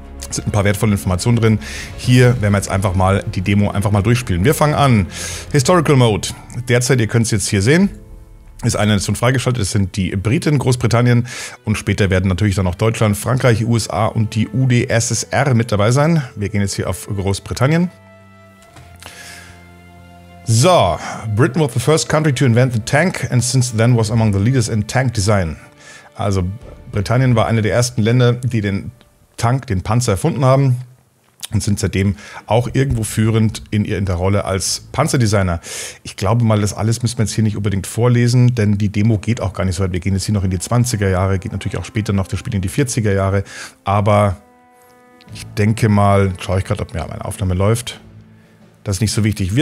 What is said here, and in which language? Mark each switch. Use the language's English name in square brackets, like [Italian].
[German] Es sind ein paar wertvolle Informationen drin. Hier werden wir jetzt einfach mal die Demo einfach mal durchspielen. Wir fangen an. Historical Mode. Derzeit, ihr könnt es jetzt hier sehen, ist eine Nation freigeschaltet. Es sind die Briten, Großbritannien und später werden natürlich dann auch Deutschland, Frankreich, USA und die UdSSR mit dabei sein. Wir gehen jetzt hier auf Großbritannien. [English] So, Britain was the first country to invent the tank and since then was among the leaders in tank design. [German] Also, Britannien war eine der ersten Länder, die den Tank, den Panzer erfunden haben und sind seitdem auch irgendwo führend in der Rolle als Panzerdesigner. Ich glaube mal, das alles müssen wir jetzt hier nicht unbedingt vorlesen, denn die Demo geht auch gar nicht so weit. Wir gehen jetzt hier noch in die 20er Jahre, geht natürlich auch später noch das Spiel in die 40er Jahre, aber ich denke mal, schaue ich gerade, ob mir meine Aufnahme läuft. Das ist nicht so wichtig.